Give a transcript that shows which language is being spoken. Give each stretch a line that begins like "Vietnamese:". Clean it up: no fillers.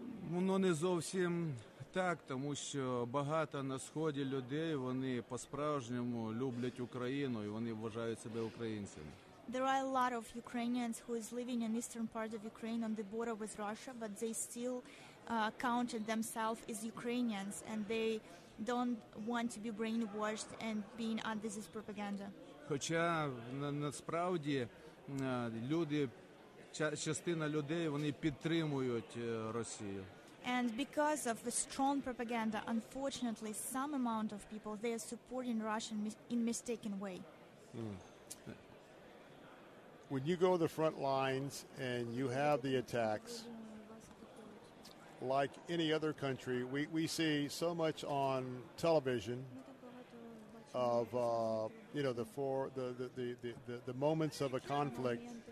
Ukrainian: Воно не зовсім так, тому що багато на сході людей, вони по-справжньому люблять Україну і вони вважають себе українцями.
English: There are a lot of Ukrainians who is living in eastern part of Ukraine on the border with Russia, but they still counted themselves as Ukrainians, and they don't want to be brainwashed and being under this propaganda.
Ukrainian: Хоча насправді люди, частина людей, вони підтримують Росію.
English: And because of the strong propaganda, unfortunately, some amount of people, they are supporting Russia in a mistaken way. When you go to the front lines and you have the attacks, like any other country, we see so much on television of you know, the moments of a conflict.